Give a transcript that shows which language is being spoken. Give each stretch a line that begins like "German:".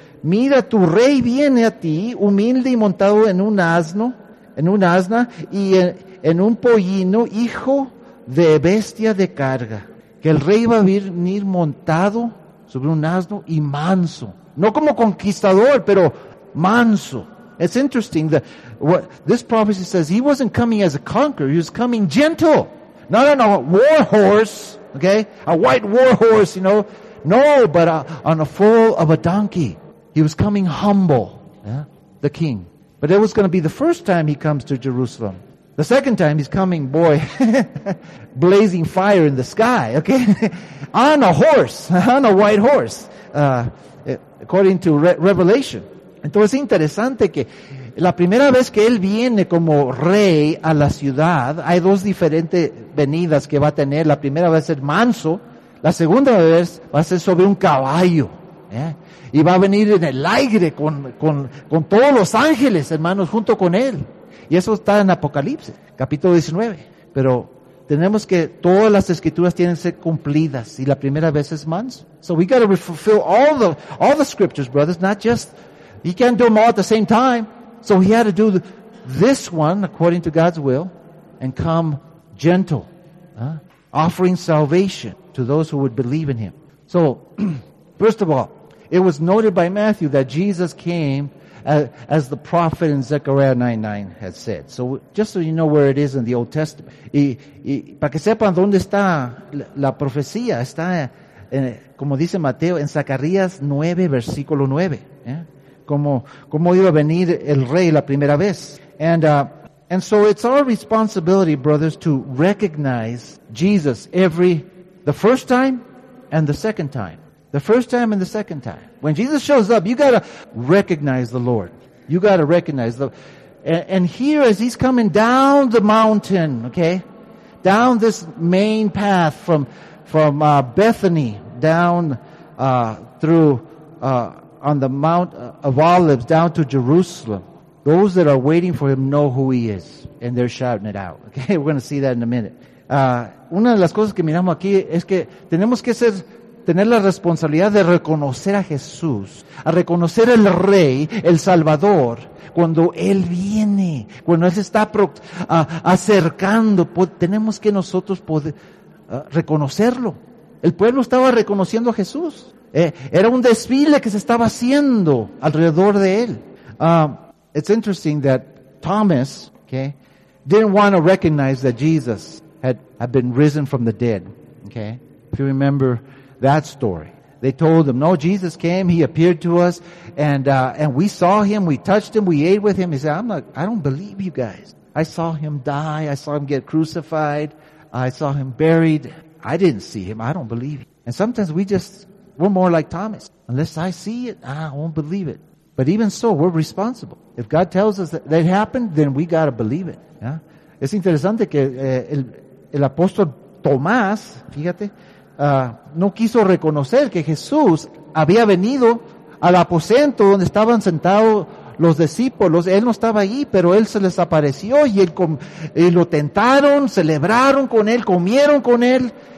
Spanish: Mira, tu rey viene a ti, humilde y montado en un asno, en un asna, y en un pollino, hijo de bestia de carga. Que el rey va a venir montado sobre un asno y manso. No como conquistador, pero manso.
English: It's interesting that what this prophecy says, he wasn't coming as a conqueror, he was coming gentle. Not on a war horse, okay? A white war horse, you know? No, but on a foal of a donkey. He was coming humble, yeah? The king. But it was going to be the first time he comes to Jerusalem. The second time he's coming, boy, blazing fire in the sky, okay? On a horse, on a white horse, according to Revelation.
Spanish: Entonces, interesante que la primera vez que él viene como rey a la ciudad, hay dos diferentes venidas que va a tener. La primera va a ser manso, la segunda vez va a ser sobre un caballo, ¿eh? Y va a venir en el aire con todos los ángeles, hermanos, junto con él. Y eso está en Apocalipsis, capítulo 19. Pero tenemos que todas las escrituras tienen que ser cumplidas. Y la primera vez es manso.
English: So we got to fulfill all the scriptures, brothers. Not just, he can't do them all at the same time. So he had to do this one according to God's will and come gentle, offering salvation to those who would believe in him. So, first of all, it was noted by Matthew that Jesus came as the prophet in Zechariah 9:9 had said. So, just so you know where it is in the Old Testament.
Spanish: Y para que sepan dónde está la profecía, está, como dice Mateo, en Zacarías 9, versículo 9.
English: Yeah?
Spanish: Como iba a venir el rey la primera vez.
English: And so it's our responsibility, brothers, to recognize Jesus the first time and the second time. When Jesus shows up, you gotta recognize the Lord. You gotta recognize the, and here as he's coming down the mountain, okay, down this main path from Bethany down, on the Mount of Olives down to Jerusalem. Those that are waiting for him know who he is, and they're shouting it out. Okay, we're gonna see that in a minute.
Spanish: Una de las cosas que miramos aquí es que tenemos que tener la responsabilidad de reconocer a Jesús, a reconocer el Rey, el Salvador, cuando Él viene, cuando Él se está acercando, tenemos que nosotros poder reconocerlo. El pueblo estaba reconociendo a Jesús. Era un desfile que se estaba haciendo alrededor de Él.
English: It's interesting that Thomas, okay, didn't want to recognize that Jesus had been risen from the dead. Okay, if you remember that story, they told him, no, Jesus came, he appeared to us, and we saw him, we touched him, we ate with him. He said, I don't believe you guys. I saw him die, I saw him get crucified, I saw him buried. I didn't see him, I don't believe him. And sometimes we're more like Thomas. Unless I see it, I won't believe it. But even so, we're responsible. If God tells us that it happened, then we got to believe it. Yeah?
Spanish: Es interesante que el apóstol Tomás, fíjate, no quiso reconocer que Jesús había venido al aposento donde estaban sentados los discípulos. Él no estaba ahí, pero él se les apareció y lo tentaron, celebraron con él, comieron con él.